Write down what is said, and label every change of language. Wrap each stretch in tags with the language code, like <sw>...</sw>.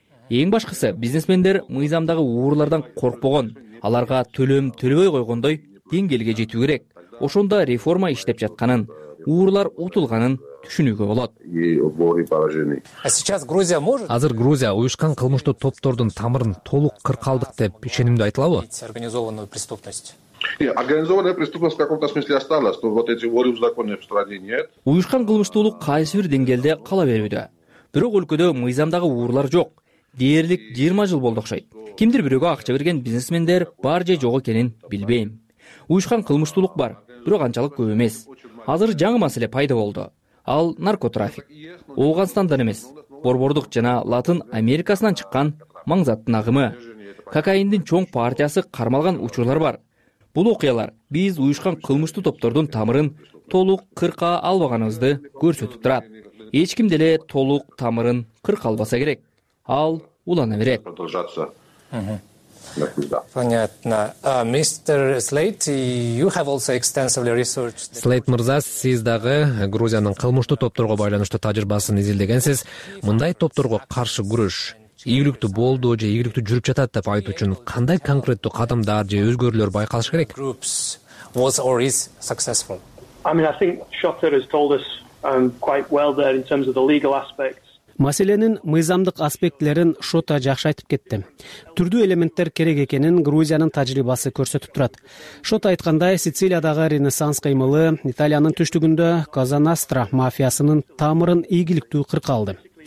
<ky>Эң башкысы, бизнесмендер мыйзамдагы уурлардан коркпогон, аларга төлөм төлөбөй койгондой деңгээлге жетүү керек. Ошондо реформа иштеп жатканын, уурлар утулганын түшүнүүгө болот. Азыр Грузия уюшкан кылмыштуу топтордун тамырын толук кыркалдык деп ишенимдүү айта алабы?</ky> <ru>Организованную преступность. Организованная преступность в каком-то смысле осталась, но вот эти воры в законе в стране нет.</ru> <ky>Уюшкан кылмыштуулук кайсы бир деңгээлде кала берүүдө. Бирок өлкөдө мыйзамдагы уурлар жок. Дээрлик 20 жыл болду окшойт. Кимдир бирөөгө акча берген бизнесмендер бар же жок экенин билбейм. Уюшкан кылмыштуулук бар, бирок анчалык көп эмес. Азыр жаңы маселе пайда болду. Ал наркотрафик. Ооганстандан эмес, борбордук жана Латын Америкасынан чыккан маңзаттын агымы. Кокаиндин чоң партиясы кармалган учурлар бар. Бул окуялар биз уюшкан кылмыштуу топтордун тамырын толук кырка албаганыбызды көрсөтүп турат. Эч ким деле толук тамырын кырка албаса керек. Ал улана берет.</ky> <ru>Понятно.</ru> <en>Мистер Слейт, you have also extensively researched...</en> <ky>Слейт мырза, сиз дагы Грузиянын кылмыштуу топторго байланыштуу тажрыйбасын изилдегенсиз. Мындай топторго каршы күрөш ийгиликтүү болду же ийгиликтүү жүрүп жатат деп айтуу үчүн кандай конкреттүү кадамдар же өзгөрүүлөр байкалыш керек?</ky> <en>Groups was or is successful. I mean, I think Schotter has told us quite well there in terms of the legal aspects.</en> <ky>Маселенин мыйзамдык аспектлерин Шота жакшы айтып кетти. Түрдүү элементтер керек экенин Грузиянын тажрыйбасы көрсөтүп турат. Шота айткандай, Сицилиядагы Ренессанс кыймылы Италиянын түштүгүндө Казанастра мафиясынын тамырын ийгиликтүү кыркалды.</ky>